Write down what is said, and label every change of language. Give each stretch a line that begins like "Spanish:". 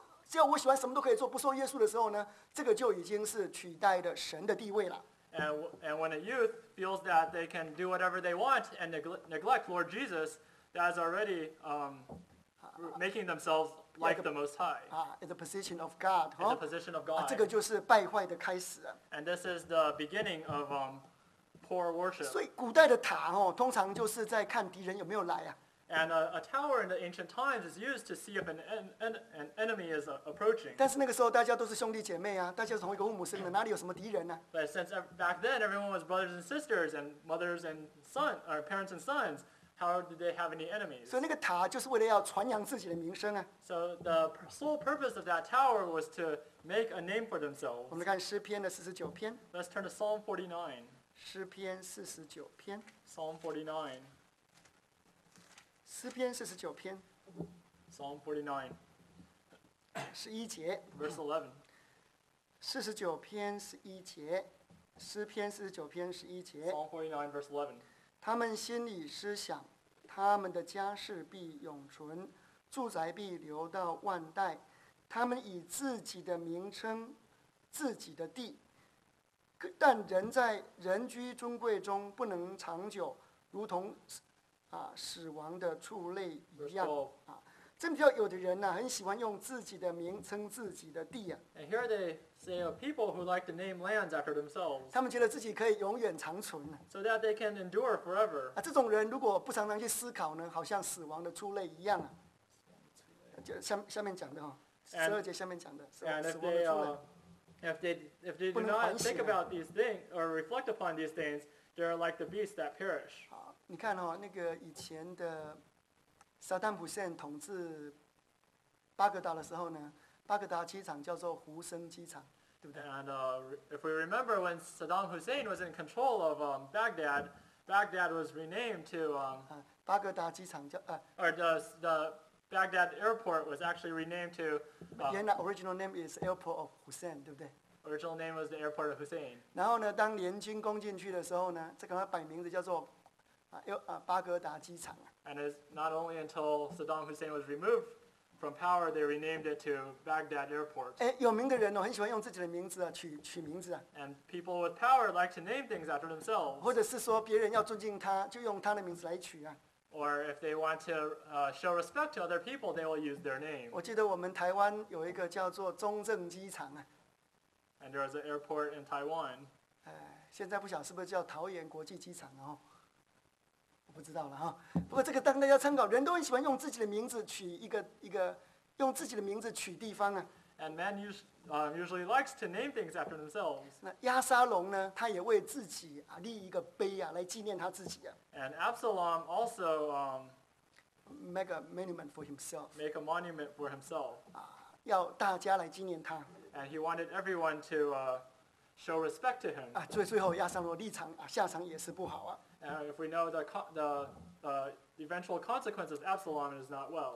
Chinese: 只要我喜欢什么都可以做，不受约束的时候呢，这个就已经是取代了神的地位了。
English: And when a youth feels that they can do whatever they want and neglect Lord Jesus, that is already making themselves like the Most High. In the position of God. In the position of God.
Chinese: 这个就是败坏的开始。
English: And this is the beginning of poor worship.
Chinese: 所以古代的塔哦，通常就是在看敌人有没有来啊。
English: And a tower in the ancient times is used to see if an enemy is approaching.
Chinese: 但是那个时候大家都是兄弟姐妹啊，大家是同一个父母生的，哪里有什么敌人呢？
English: But since back then everyone was brothers and sisters and mothers and sons or parents and sons, how did they have any enemies?
Chinese: 所以那个塔就是为了要传扬自己的名声啊。
English: So the sole purpose of that tower was to make a name for themselves.
Chinese: 我们看诗篇的四十九篇。
English: Let's turn to Psalm 49.
Chinese: 诗篇四十九篇。
English: Psalm 49.
Chinese: 诗篇四十九篇
English: ，Psalm 49，
Chinese: 十一节
English: ，Verse 11，
Chinese: 四十九篇十一节，诗篇四十九篇十一节
English: ，Psalm 49 verse 11，
Chinese: 他们心里思想，他们的家室必永存，住宅必留到万代，他们以自己的名称，自己的地，但人在人居尊贵中不能长久，如同。死亡的畜类一样啊，真叫有的人呢、啊，很喜欢用自己的名称自己的地啊。
English: And here they say of people who like to name lands after themselves.
Chinese: 他们觉得自己可以永远长存。
English: So that they can endure forever.
Chinese: 啊，这种人如果不常常去思考呢，好像死亡的畜类一样啊。就下面讲的哈、哦，十二节下面讲的死亡的畜类。
English: If they do not think about these things or reflect upon these things, they are like the beasts that perish.
Chinese: 你看哦，那个以前的萨旦普森统治巴格达的时候呢，巴格达机场叫做胡生机场，对不对
English: ？And if we remember when Saddam Hussein was in control of Baghdad, Baghdad was renamed to
Chinese: 巴格达机场叫
English: Or the Baghdad airport was actually renamed to.
Chinese: 原来
English: original name is Airport of Hussein,
Chinese: 对不对？
English: Original name was the Airport of Hussein.
Chinese: 然后呢，当联军攻进去的时候呢，这个它摆名字叫做。巴格达机场。
English: And it's not only until Saddam Hussein was removed from power, they renamed it to Baghdad Airport.
Chinese: 有名的人哦，很喜欢用自己的名字啊，取名字啊。
English: And people with power like to name things after themselves.
Chinese: 或者是说别人要尊敬他，就用他的名字来取啊。
English: Or if they want to show respect to other people, they will use their name.
Chinese: 我记得我们台湾有一个叫做中正机场啊。
English: And there is an airport in Taiwan.
Chinese: 现在不晓得是不是叫桃园国际机场哦。不知道了哈，不过这个当大家参考，人都很喜欢用自己的名字取一个，用自己的名字取地方啊。
English: And man usually likes to name things after themselves.
Chinese: 那亚沙龙呢，他也为自己啊立一个碑啊，来纪念他自己啊。
English: And Absalom also make a monument for himself. Make a monument for himself.
Chinese: 要大家来纪念他。
English: And he wanted everyone to show respect to him.
Chinese: 最后亚沙龙立场啊下场也是不好啊。
English: And if we know the eventual consequence of Absalom is not well.